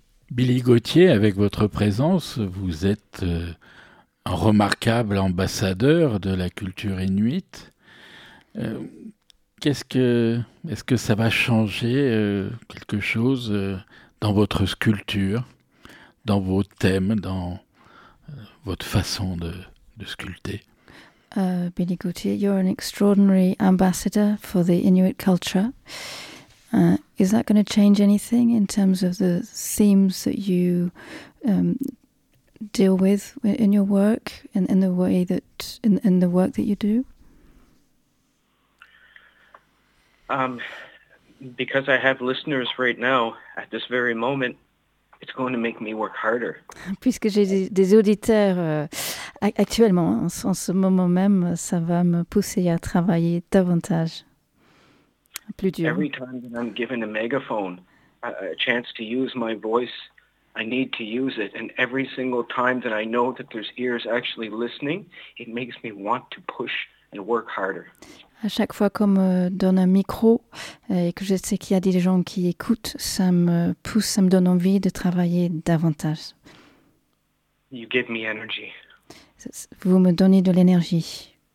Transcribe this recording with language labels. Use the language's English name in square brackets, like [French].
[French] Billy Gauthier, avec votre présence, vous êtes un remarquable ambassadeur de la culture inuite. Est-ce que ça va changer quelque chose dans votre sculpture, dans vos thèmes, dans votre façon de sculpter? [English] Billy Gauthier, you're an extraordinary ambassador for the Inuit culture. Is that going to change anything in terms of the themes that you deal with in your work and in the way that in the work that you do? Because I have listeners right now at this very moment, it's going to make me work harder. [French] Puisque j'ai des auditeurs actuellement, en ce moment même, ça va me pousser à travailler davantage. Plus dur. [English] Every time that I'm given a megaphone, a chance to use my voice, I need to use it. And every single time that I know that there's ears actually listening, it makes me want to push and work harder. [French] À chaque fois qu'on me donne un micro et que je sais qu'il y a des gens qui écoutent, ça me pousse, ça me donne envie de travailler davantage. [English] You give me energy. [French] Vous me donnez de l'énergie.